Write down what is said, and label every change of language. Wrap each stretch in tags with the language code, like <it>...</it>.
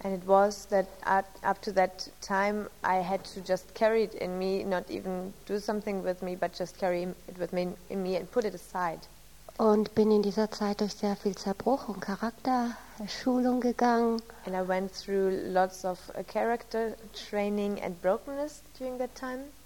<en>And it was that up to that time I had to just carry it in me, not even do something with me, but just carry it with me in me and put it aside.</en> <de>Und bin in dieser Zeit durch sehr viel Zerbruch und Charakterschulung gegangen.</de> <en>And I went through lots of character training and brokenness during that time.</en>